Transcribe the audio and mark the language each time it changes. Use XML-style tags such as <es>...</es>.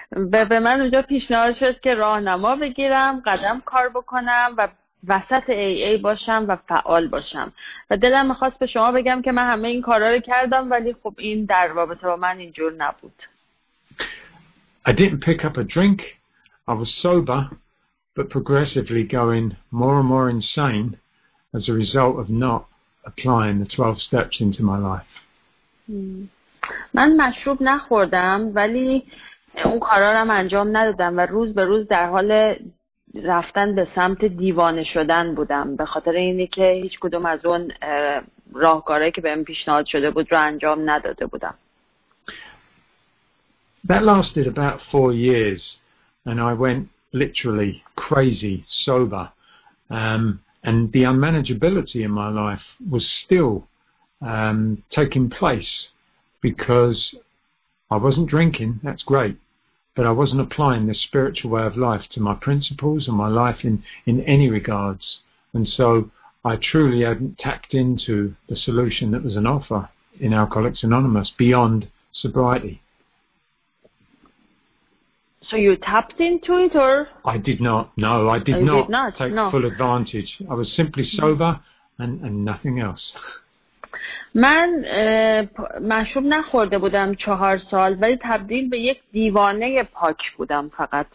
<fa>به من اونجا پیشنهاد شد که راهنما بگیرم، قدم کار بکنم و وسط AA باشم و فعال باشم. و دلم می‌خواست به شما بگم که من همه این کارا رو کردم ولی خب این در رابطه با من اینجور نبود.</fa> <en>I didn't pick up a drink. I was sober, but progressively going more and more insane as a result of not applying the 12 steps into my life.</en> <fa>من مشروب نخوردم ولی اون کارا رو انجام ندادم و روز به روز در حال رفتن به سمت دیوانه شدن بودم به خاطر اینی که هیچ کدوم از اون راهکارهایی که بهم پیشنهاد شده بود رو انجام نداده بودم.</fa> <en>That lasted about 4 years and I went literally crazy sober. And the unmanageability in my life was still taking place because I wasn't drinking, that's great, but I wasn't applying the spiritual way of life to my principles and my life in any regards. And so I truly hadn't tapped into the solution that was an offer in Alcoholics Anonymous beyond sobriety. So you tapped into it, or? I did not. No, I did, oh, not, did not take no. full advantage. I was simply sober and nothing else.</en> <fa>من مشروب نخورده بودم 4 سال ولی تبدیل به یک دیوانه پاک بودم فقط.</fa>